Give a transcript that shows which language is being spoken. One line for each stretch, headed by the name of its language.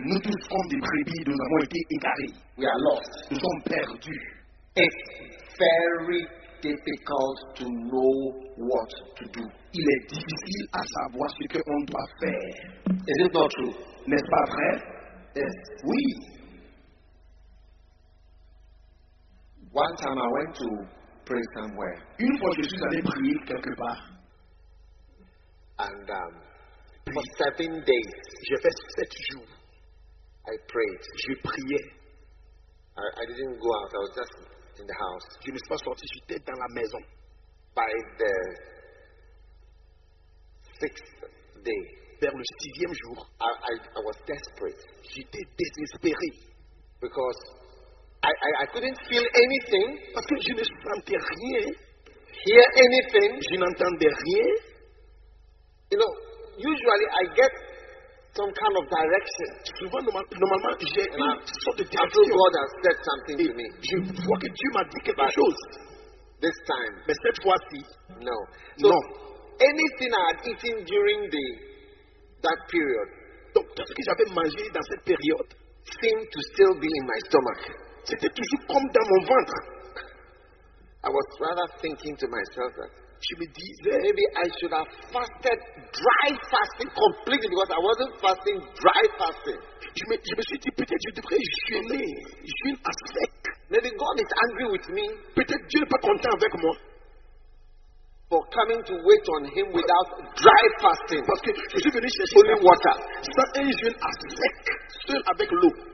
French: Nous tous sommes des brebis, nous avons été égarés.
English: We are lost.
French: Nous sommes perdus.
English: It's very difficult to know what to do.
French: Il est difficile à savoir ce qu'on doit faire.
English: Is it not true?
French: N'est-ce pas vrai?
English: Yes.
French: Oui.
English: One time I went to pray somewhere.
French: Une fois, je suis allé prier quelque part.
English: And for 7 days,
French: j'ai fait 7 jours.
English: I prayed.
French: Je priais.
English: I didn't go out. I was just in the house.
French: Je ne suis pas sorti. J'étais dans la maison.
English: By the 6th day,
French: vers le 6th jour,
English: I was desperate.
French: J'étais désespéré.
English: Because I couldn't feel anything.
French: Parce que je ne sentais rien.
English: Hear anything.
French: Je n'entendais rien.
English: You know, usually I get some kind of direction.
French: Souvent, normalement, j'ai une sorte de direction.
English: I feel God has said something to me.
French: Je vois que Dieu m'a dit quelque chose.
English: This time.
French: Mais cette fois-ci.
English: No. So, anything I had eaten during that period.
French: Donc, tout ce que j'avais mangé dans cette période.
English: Seemed to still be in my stomach.
French: C'était toujours comme dans mon ventre.
English: I was rather thinking to myself that
French: je me disais,
English: maybe I should have fasted dry fasting completely because I wasn't fasting dry fasting.
French: Je me suis dit peut-être je devrais jeûner, jeûne à sec.
English: Maybe God is angry with me.
French: Peut-être Dieu n'est pas content avec moi.
English: For coming to wait on him without dry fasting.
French: Parce que je suis venu chercher
English: only water.
French: Sans un jeûne à sec, seul avec l'eau.